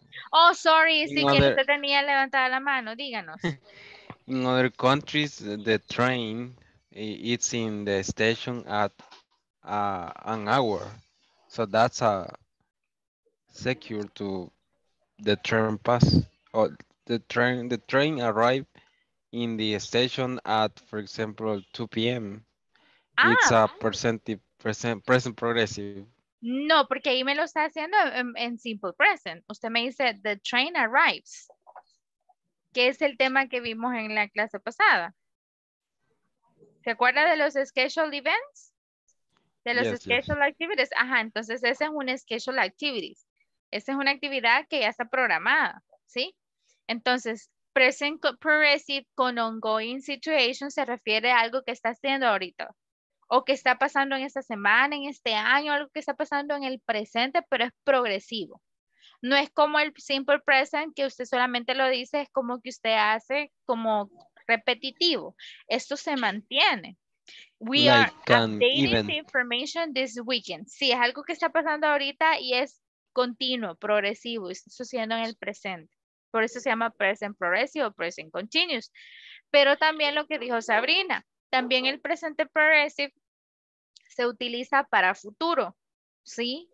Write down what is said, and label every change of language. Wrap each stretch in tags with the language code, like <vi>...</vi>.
<en>oh, sorry,</en> <es>si quien usted tenía levantada la mano, díganos.</es> <en>In other countries, the train is in the station at an hour. So that's a secure to the train pass. Or the train arrive in the station at, for example, 2 p.m. Ah. It's a present progressive.</en> <es>No, porque ahí me lo está haciendo en simple present. Usted me dice,</es> <en>the train arrives.</en> <es>Que es el tema que vimos en la clase pasada. ¿Se acuerda de los scheduled events? De los scheduled activities. Ajá, entonces ese es un scheduled activities. Esa es una actividad que ya está programada, ¿sí? Entonces, present progressive con ongoing situation se refiere a algo que está haciendo ahorita. O que está pasando en esta semana, en este año, algo que está pasando en el presente, pero es progresivo. No es como el simple present que usted solamente lo dice, es como que usted hace como repetitivo. Esto se mantiene.</es> <en>We like are updating even the information this weekend.</en> <es>Sí, es algo que está pasando ahorita y es continuo, progresivo, y está sucediendo en el presente. Por eso se llama present progressive o present continuous. Pero también lo que dijo Sabrina, también el presente progressive se utiliza para futuro, ¿sí?</es>